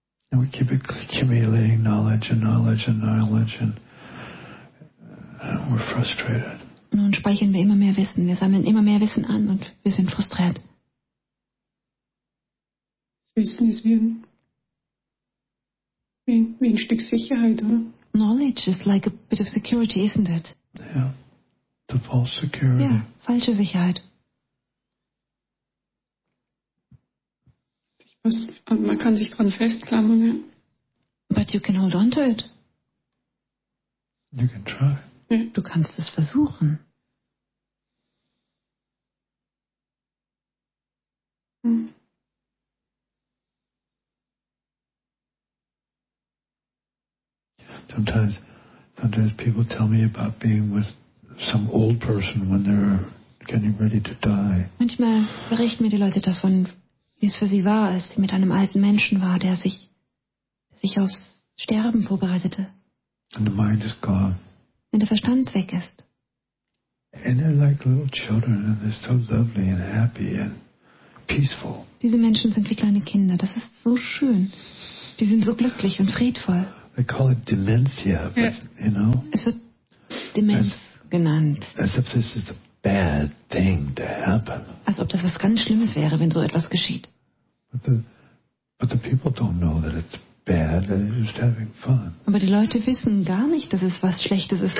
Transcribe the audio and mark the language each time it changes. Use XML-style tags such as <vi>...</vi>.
<en>And we keep accumulating knowledge and knowledge and knowledge and we're frustrated.</en> <de>Nun speichern wir immer mehr Wissen. Wir sammeln immer mehr Wissen an und wir sind frustriert. Das Wissen ist wie ein Stück Sicherheit, oder?</de> <en>Knowledge is like a bit of security, isn't it? Yeah. The false security.</en> <de>Ja, falsche Sicherheit. Man kann sich dran festklammern, ja.</de> <en>But you can hold on to it. You can try.</en> <de>Ja. Du kannst es versuchen.</de> <en>Sometimes people tell me about being with some old person when they're getting ready to die.</en> <de>Manchmal berichten mir die Leute davon, wie es für sie war, als sie mit einem alten Menschen war, der sich aufs Sterben vorbereitete.</de> <en>And the mind is gone.</en> <de>Wenn der Verstand weg ist.</de> <en>And they're like little children and they're so lovely and happy and peaceful.</en> <de>Diese Menschen sind wie kleine Kinder. Das ist so schön. Die sind so glücklich und friedvoll.</de> <en>They call it dementia, but, you know.</en> <de>Es wird Demenz genannt.</de> <en>As if this is a bad thing to happen.</en> <de>Als ob das was ganz Schlimmes wäre, wenn so etwas geschieht.</de> <en>But the people don't know that it's bad. They're just having fun.</en> <de>Aber die Leute wissen gar nicht, dass es was Schlechtes ist.</de>